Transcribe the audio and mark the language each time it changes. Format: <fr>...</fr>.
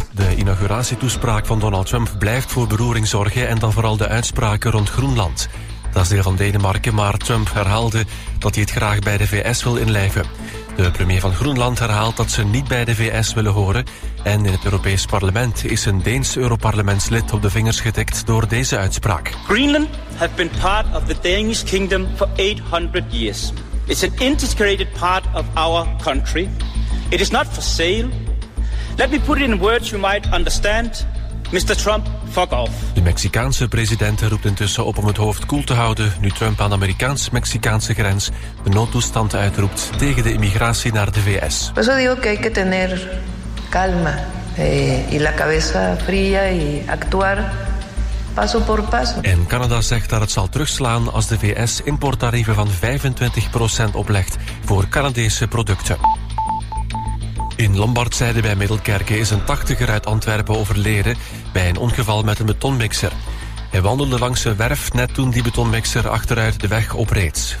<nl>De inauguratietoespraak van Donald Trump blijft voor beroering zorgen en dan vooral de uitspraken rond Groenland. Dat is deel van Denemarken, maar Trump herhaalde dat hij het graag bij de VS wil inlijven. De premier van Groenland herhaalt dat ze niet bij de VS willen horen en in het Europees Parlement is een Deens Europarlementslid op de vingers getikt door deze uitspraak.</nl> <en>Greenland has been part of the Danish kingdom for 800 years. It's an integrated part of our country. It is not for sale. Let me put it in words you might understand. Mr. Trump, fuck off.</en> <nl>De Mexicaanse president roept intussen op om het hoofd koel te houden nu Trump aan de Amerikaans-Mexicaanse grens de noodtoestand uitroept tegen de immigratie naar de VS.</nl> <es>Pues yo digo que hay que tener calma y la cabeza fría y actuar paso por paso.</es> <nl>En Canada zegt dat het zal terugslaan als de VS importtarieven van 25% oplegt voor Canadese producten. In Lombardzijde bij Middelkerke is een 80er uit Antwerpen overleden bij een ongeval met een betonmixer. Hij wandelde langs een werf net toen die betonmixer achteruit de weg opreed.</nl>